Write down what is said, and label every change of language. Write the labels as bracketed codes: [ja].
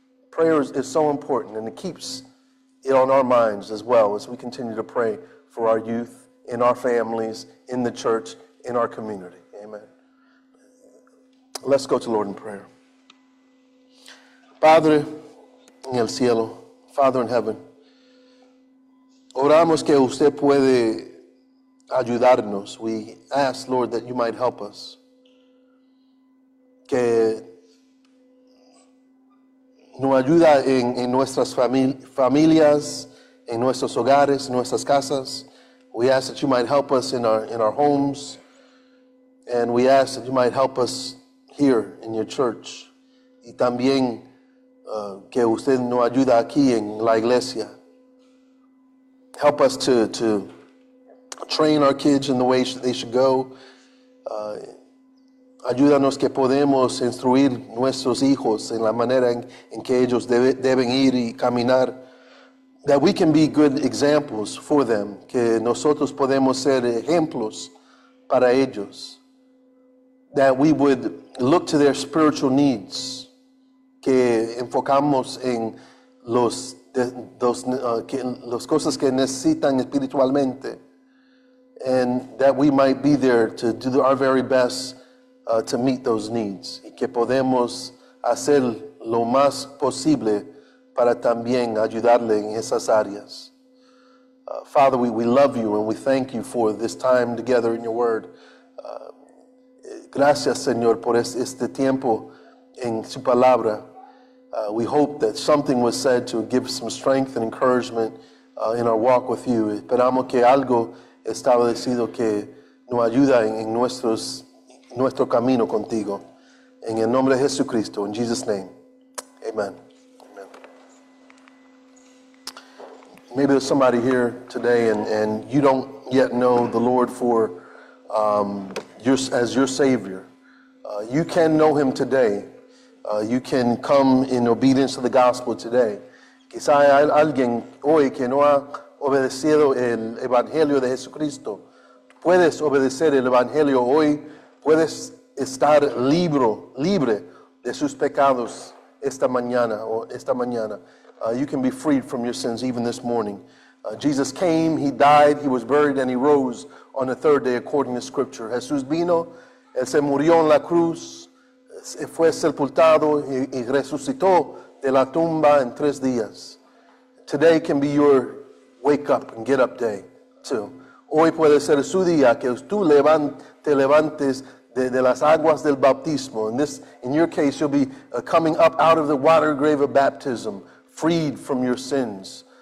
[en] Prayer is so important, and it keeps it on our minds as well as we continue to pray for our youth, in our families, in the church, in our community. Amen. Let's go to the Lord in prayer. [es] Padre en el cielo, [en] Father in heaven, [es] oramos que usted puede ayudarnos. [en] We ask, Lord, that you might help us. [es] Que nos ayuda en nuestras familias, en nuestros hogares, en nuestras casas. [en] We ask that you might help us in our homes. And we ask that you might help us here in your church. [es] Y también que usted nos ayuda aquí en la iglesia. [en] Help us to train our kids in the way they should go. [es] Ayúdanos que podemos instruir nuestros hijos en la manera en que ellos deben ir y caminar. [en] That we can be good examples for them. [es] Que nosotros podemos ser ejemplos para ellos. [en] That we would look to their spiritual needs. [es] Que enfocamos en los las cosas que necesitan espiritualmente, [en] and that we might be there to do our very best to meet those needs, [es] y que podemos hacer lo más posible para también ayudarle en esas áreas. [en] Father, we love you and we thank you for this time together in your word. [es] Gracias, Señor, por este tiempo en su palabra. [en] We hope that something was said to give some strength and encouragement in our walk with you. [es] Esperamos que algo establecido que nos ayuda en nuestro camino contigo. En el nombre de Jesucristo, [en] in Jesus' name, [es] amen. [en] Maybe there's somebody here today and you don't yet know the Lord for as your Savior. You can know him today. You can come in obedience to the gospel today. [es] Quizá hay alguien hoy que no ha obedecido el Evangelio de Jesucristo. Puedes obedecer el Evangelio hoy. Puedes estar libre de sus pecados esta mañana o esta mañana. [en] You can be freed from your sins even this morning. Jesus came, he died, he was buried, and he rose on the third day according to Scripture. [es] Jesús vino, él se murió en la cruz, fue sepultado y resucitó de la tumba en tres días. [en] Today can be your wake up and get up day too. [es] Hoy puede ser su día que tú te levantes de las aguas del bautismo. [en] In your case, you'll be coming up out of the water grave of baptism, freed from your sins.